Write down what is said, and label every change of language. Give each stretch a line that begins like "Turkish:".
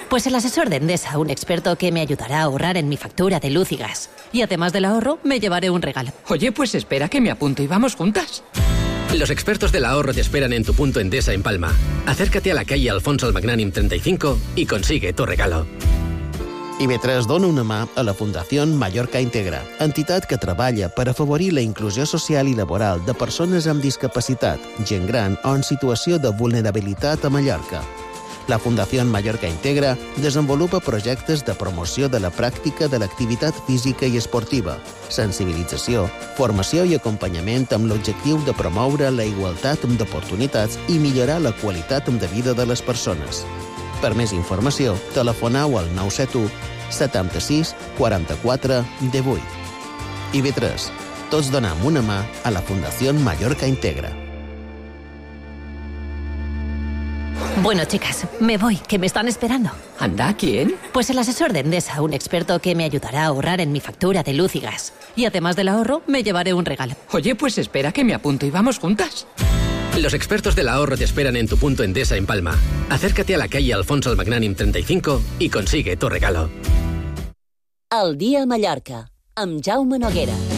Spanish: Pues el asesor de Endesa, un experto que me ayudará a ahorrar en mi factura de luz y gas. Y además del ahorro, me llevaré un regalo. Oye, pues espera que me apunto y vamos juntas. Los expertos del ahorro te esperan en tu punto Endesa en Palma. Acércate a la calle Alfonso el Magnánim 35 y consigue tu regalo.
Catalan: IB3 dona una mà a la Fundació Mallorca Integra, entitat que treballa per afavorir la inclusió social i laboral de persones amb discapacitat, gent gran o en situació de vulnerabilitat a Mallorca. La Fundació Mallorca Integra desenvolupa projectes de promoció de la pràctica de l'activitat física i esportiva, sensibilització, formació i acompanyament amb l'objectiu de promoure la igualtat d'oportunitats i millorar la qualitat de vida de les persones. Per més informació, telefoneu al 971-76-44-18. IB3, tots donem una mà a la Fundació Mallorca Integra.
Spanish: Bueno, chicas, me voy, que me están esperando. ¿Anda, quién? Pues el asesor de Endesa, un experto que me ayudará a ahorrar en mi factura de luz y gas. Y además del ahorro, me llevaré un regalo. Oye, pues espera que me apunto y vamos juntas. Los expertos del ahorro te esperan en tu punto Endesa en Palma. Acércate a la calle Alfonso el Magnánim 35 y consigue tu regalo.
Catalan: El dia Mallorca, amb Jaume Noguera.